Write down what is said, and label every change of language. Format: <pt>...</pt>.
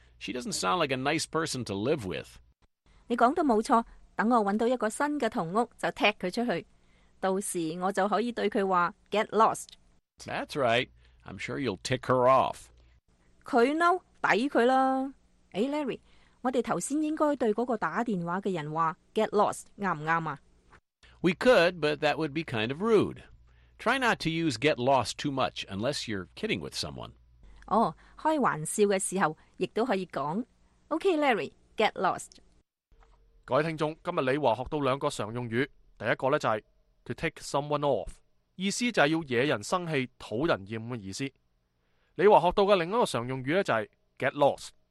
<en>She doesn't sound like a nice person to live with.</en> <yue>你讲得冇错，等我揾到一个新嘅同屋就踢佢出去，到时我就可以对佢话</yue> <en>get lost。 That's right. I'm sure you'll tick her off.</en> <yue>佢嬲，抵佢啦。诶 ，Larry。我哋头先应该对嗰个打电话嘅人话</yue> <en>get lost，</en> <yue>啱唔啱啊</yue> <en>？We could， but that would be kind of rude. Try not to use get lost too much unless you're kidding with someone.</en> <yue>哦，开玩笑嘅时候亦都可以讲。</yue> <en>OK， Larry， get lost。</en> <yue>各位听众，今日李华学到两个常用语，第一个咧就系</yue> <en>to take someone off，</en> <yue>意思就系要惹人生气、讨人厌嘅意思。李华学到嘅另一个常用语咧就系</yue> <en>get lost。</en>